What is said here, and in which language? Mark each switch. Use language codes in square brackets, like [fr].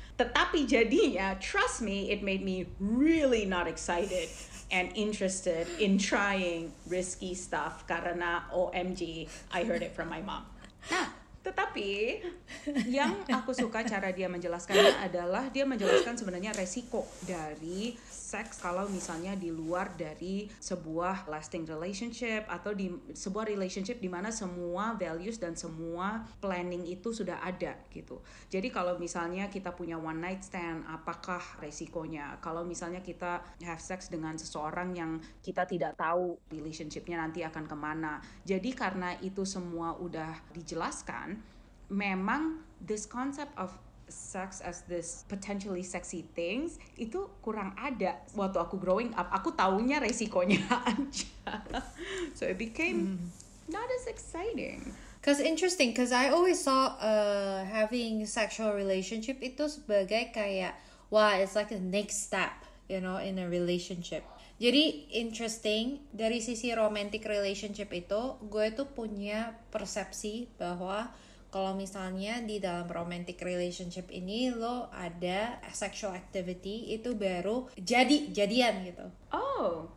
[id] Tetapi jadinya, [en] trust me, it made me really not excited and interested in trying risky stuff [id] karena [en] OMG, I heard it from my mom. [id] Nah, tetapi yang aku suka cara dia menjelaskannya adalah dia menjelaskan sebenarnya resiko dari seks kalau misalnya di luar dari sebuah lasting relationship atau di sebuah relationship di mana semua values dan semua planning itu sudah ada gitu. Jadi kalau misalnya kita punya one night stand, apakah resikonya? Kalau misalnya kita [en] have sex [id] dengan seseorang yang kita tidak tahu relationship-nya nanti akan kemana. Jadi karena itu semua udah dijelaskan, memang [en] this concept of sex as this potentially sexy things [id] itu kurang ada waktu aku [en] growing up. [id] Aku taunya resikonya aja. [en] So it became not as exciting. Cause interesting, cause I always saw having sexual relationship [id] itu sebagai kayak, [en] wow, it's like a next step, you know, in a relationship. [id] Jadi interesting, dari sisi romantic relationship itu, gue tuh punya persepsi bahwa kalau misalnya di dalam romantic relationship ini lo ada sexual activity, itu baru jadian gitu. Oh,